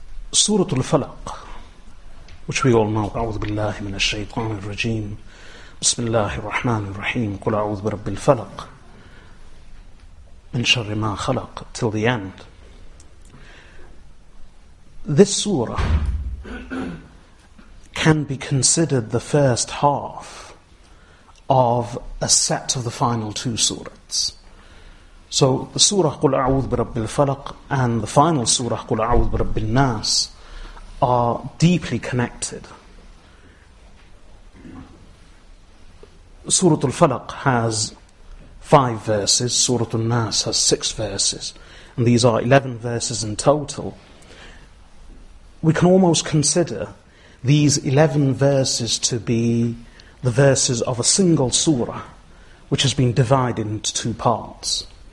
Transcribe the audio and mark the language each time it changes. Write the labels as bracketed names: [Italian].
[English] Surah Al-Falaq, which we all know, [Arabic] أعوذ بالله من الشيطان الرجيم بسم الله الرحمن الرحيم قل أعوذ برب الفلق من شر ما خلق [English] till the end. This surah can be considered the first half of a set of the final two surahs. So the surah [Arabic] قل أعوذ برب الفلق [English] and the final surah [Arabic] قل أعوذ برب الناس [English] are deeply connected. Surah Al-Falaq has 5 verses, Surah Al-Nas has 6 verses, and these are 11 verses in total. We can almost consider these 11 verses to be the verses of a single surah, which has been divided into two parts.